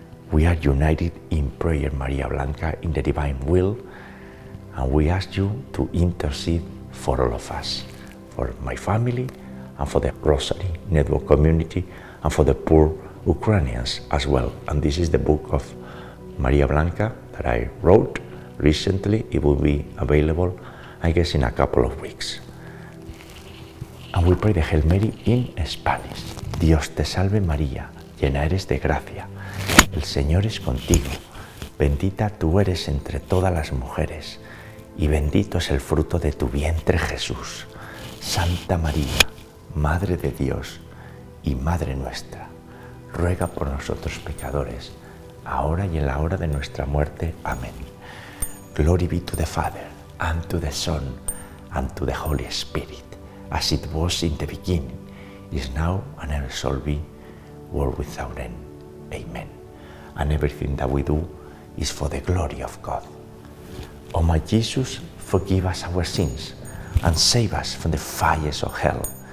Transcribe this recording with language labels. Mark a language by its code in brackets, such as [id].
[en] We are united in prayer, Maria Blanca, in the divine will, and we ask you to intercede for all of us, for my family, and for the Rosary Network community, and for the poor Ukrainians as well. And this is the book of Maria Blanca that I wrote recently. It will be available, I guess, in a couple of weeks. And we pray the Hail Mary in Spanish. [es] Dios te salve María, llena eres de gracia. El Señor es contigo, bendita tú eres entre todas las mujeres y bendito es el fruto de tu vientre Jesús. Santa María, Madre de Dios y Madre nuestra, ruega por nosotros pecadores, ahora y en la hora de nuestra muerte. Amén. [en] Glory be to the Father, and to the Son, and to the Holy Spirit, as it was in the beginning, is now, and ever shall be, world without end. Amen. And everything that we do is for the glory of God. O my Jesus, forgive us our sins and save us from the fires of hell.